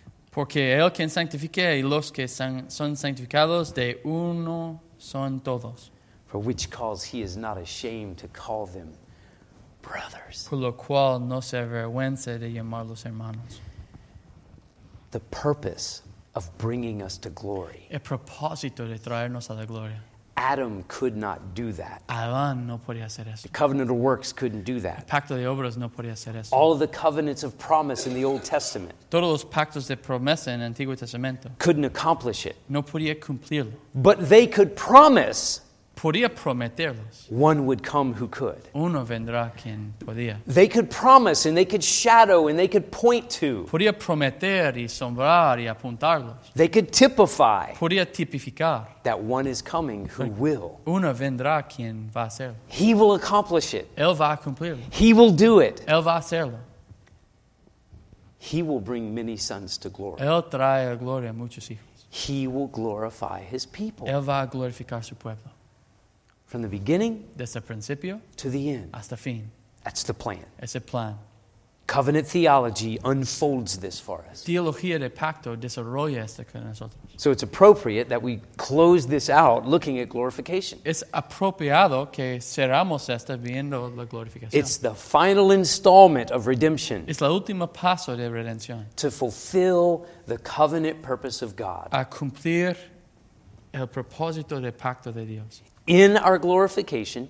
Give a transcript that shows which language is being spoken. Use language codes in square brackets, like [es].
[es] Porque el quien sanctifique y los que son sanctificados de uno son todos. [en] For which cause he is not ashamed to call them brothers. [es] Por lo cual no se avergüenza de llamarlos hermanos. [en] The purpose of bringing us to glory. [es] El propósito de traernos a la gloria. [en] Adam could not do that. [es] Adán no podía hacer eso. [en] The covenant of works couldn't do that. [es] El pacto de obras no podía hacer eso. [en] All of the covenants of promise in the Old Testament. [es] Todos los pactos de promesa en el Antiguo Testamento. [en] Couldn't accomplish it. [es] No podía cumplirlo. [en] But they could promise. [es] Podía prometerlos. [en] One would come who could. [es] Uno vendrá quien podía. [en] They could promise and they could shadow and they could point to. [es] Podía prometer y sombrar y apuntarlos. [en] They could typify. [es] Podía tipificar. [en] That one is coming who will. [es] Uno vendrá quien va a hacerlo. [en] He will accomplish it. [es] Él va a cumplirlo. [en] He will do it. [es] Él va a hacerlo. [en] He will bring many sons to glory. [es] Él trae a gloria a muchos hijos. [en] He will glorify his people. [es] Él va a glorificar su pueblo. [en] From the beginning [es] desde el principio, [en] to the end. [es] Hasta fin. [en] That's the plan. [es] Es el plan. [en] Covenant theology unfolds this for us. [es] Teología de pacto desarrolla esto con nosotros. [en] So it's appropriate that we close this out looking at glorification. [es] Es apropiado que cerramos esto viendo la glorificación. [en] It's the final installment of redemption. [es] Es la última paso de redención. [en] To fulfill the covenant purpose of God. [es] A cumplir el propósito de pacto de Dios. [en] In our glorification,